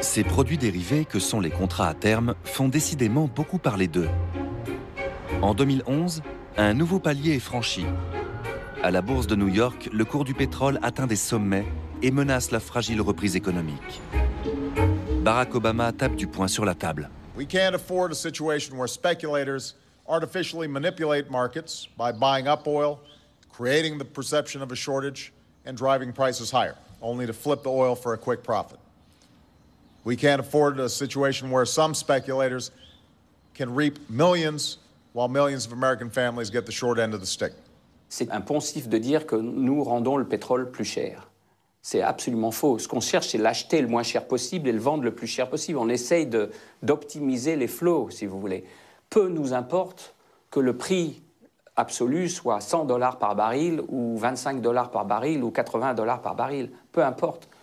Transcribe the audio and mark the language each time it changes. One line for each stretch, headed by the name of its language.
French: Ces produits dérivés que sont les contrats à terme font décidément beaucoup parler d'eux. En 2011, un nouveau palier est franchi. À la bourse de New York, le cours du pétrole atteint des sommets et menace la fragile reprise économique. Barack Obama tape du poing sur la table.
English: We can't afford a situation where speculators artificially manipulate markets by buying up oil, creating the perception of a shortage and driving prices higher, only to flip the oil for a quick profit. We can't afford a situation where some speculators can reap millions while millions of American families get the short end of the stick.
French: C'est un poncif de dire que nous rendons le pétrole plus cher. C'est absolument faux. Ce qu'on cherche, c'est l'acheter le moins cher possible et le vendre le plus cher possible. On essaye d'optimiser les flots, si vous voulez. Peu nous importe que le prix absolu soit 100 dollars par baril ou 25 dollars par baril ou 80 dollars par baril. Peu importe.